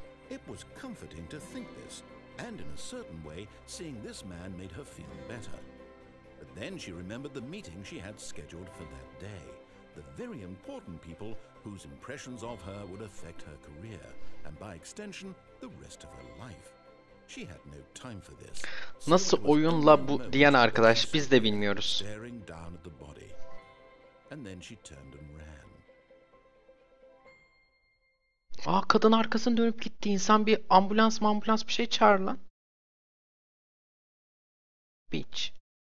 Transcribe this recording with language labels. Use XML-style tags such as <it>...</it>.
<en>It was comforting to think this, and in a certain way, seeing this man made her feel better. But then she remembered the meeting she had scheduled for that day. The very important people whose impressions of her would affect her career, and by extension, the rest of her life. She had no time for this.</en> <tr>Nasıl oyunla bu diyen arkadaş, biz de bilmiyoruz.</tr> <en>Staring down at the body. And then she turned and ran.</en> <tr>Aa, kadın arkasını dönüp gitti. İnsan bir ambulans mambulans bir şey çağır lan.</tr> <en>Bitch.</en>